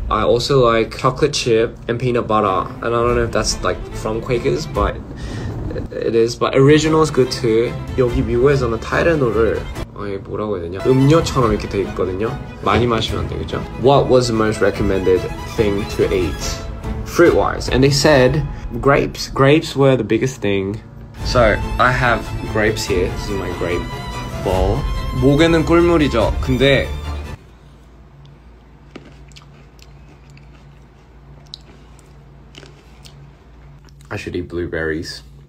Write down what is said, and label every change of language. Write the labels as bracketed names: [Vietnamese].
[English] I also like chocolate chip and peanut butter. And I don't know if that's like from Quakers, but it is. But original is good too. [Korean] 여기 미국에서는 타이레놀을 아예 뭐라고 해야 되냐? 음료처럼 이렇게 돼 있거든요. 많이 마시면 안 되겠죠? [English] What was the most recommended thing to eat? Fruit wise. And they said grapes. Grapes were the biggest thing. So I have grapes here. This is my grape bowl. [Korean] 목에는 꿀물이죠. 근데 [English] I should eat blueberries.